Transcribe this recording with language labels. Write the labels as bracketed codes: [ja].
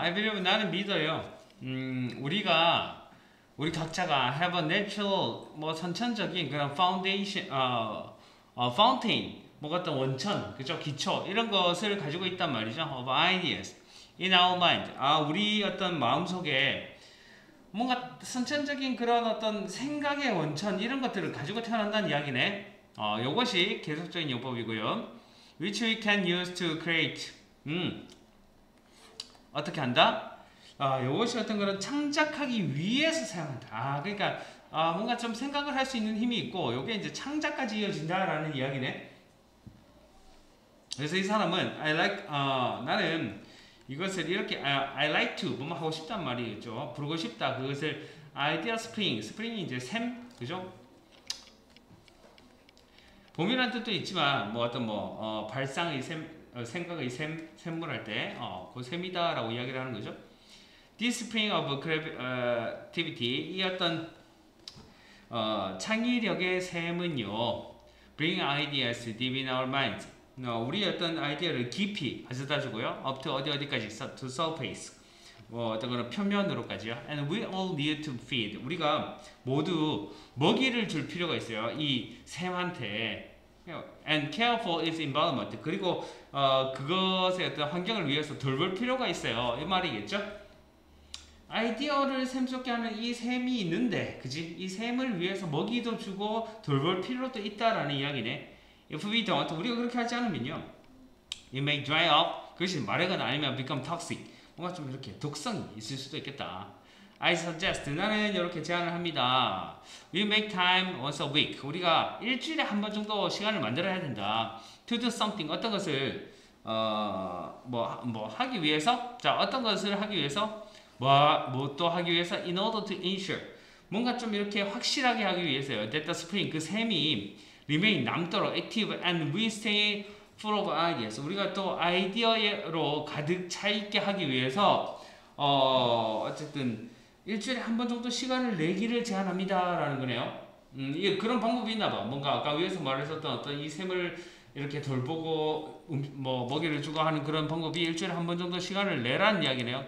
[en] I believe, [ko] 나는 믿어요. 우리 각자가 [en] have a natural, [ko] 뭐, 선천적인 그런 foundation, fountain, 뭐 같은 원천, 그죠? 기초, 이런 것을 가지고 있단 말이죠. [en] of ideas in our mind. [ko] 아, 우리 어떤 마음 속에 뭔가 선천적인 그런 어떤 생각의 원천, 이런 것들을 가지고 태어난다는 이야기네. 요것이 계속적인 요법이고요. [en] Which we can use to create. [ko] 어떻게 한다? 요것이 어떤 그런 창작하기 위해서 사용한다. 그러니까 뭔가 좀 생각을 할 수 있는 힘이 있고 요게 이제 창작까지 이어진다라는 이야기네. 그래서 이 사람은 I like 나는 이것을 이렇게 [en] I like to [ko] 뭐 하고 싶단 말이죠. 부르고 싶다. 그것을 idea spring. spring이 이제 샘. 그죠? 봄이란 뜻도 있지만 뭐 어떤 뭐 발상의 샘, 생각의 샘, 샘물할 때 그 샘이다라고 이야기를 하는 거죠. [en] This spring of creativity [ko] 이 어떤 창의력의 샘은요, [en] bring ideas deep in our minds. [ko] 우리 어떤 아이디어를 깊이 가져다 주고요. [en] up to [ko] 어디 어디까지 to surface 뭐 어떤 그런 표면으로까지요. [en] And we all need to feed. [ko] 우리가 모두 먹이를 줄 필요가 있어요. 이 샘한테. [en] And care for its environment. [ko] 그리고 그것의 어떤 환경을 위해서 돌볼 필요가 있어요. 이 말이겠죠? 아이디어를 샘솟게 하는 이 샘이 있는데, 그지? 이 샘을 위해서 먹이도 주고 돌볼 필요도 있다라는 이야기네. [en] If we don't, [ko] 우리가 그렇게 하지 않으면요. [en] It may dry up. [ko] 그것이 마르거나 아니면 [en] become toxic. [ko] 뭔가 좀 이렇게 독성이 있을 수도 있겠다. [en] I suggest, [ko] 나는 이렇게 제안을 합니다. [en] We make time once a week. [ko] 우리가 일주일에 한 번 정도 시간을 만들어야 된다. [en] To do something, [ko] 어떤 것을 하기 위해서? 자, 어떤 것을 하기 위해서? 뭐 또 하기 위해서? [en] In order to ensure, [ko] 뭔가 좀 이렇게 확실하게 하기 위해서요. [en] That the spring, [ko] 그 샘이 [en] remain 남도록 active and we stay full of ideas. [ko] 우리가 또 아이디어로 가득 차 있게 하기 위해서 어쨌든 일주일에 한 번 정도 시간을 내기를 제안합니다 라는 거네요. 이게 그런 방법이 있나 봐. 뭔가 아까 위에서 말했었던 어떤 이 샘을 이렇게 돌보고 뭐 먹이를 주고 하는 그런 방법이 일주일에 한 번 정도 시간을 내란 이야기네요.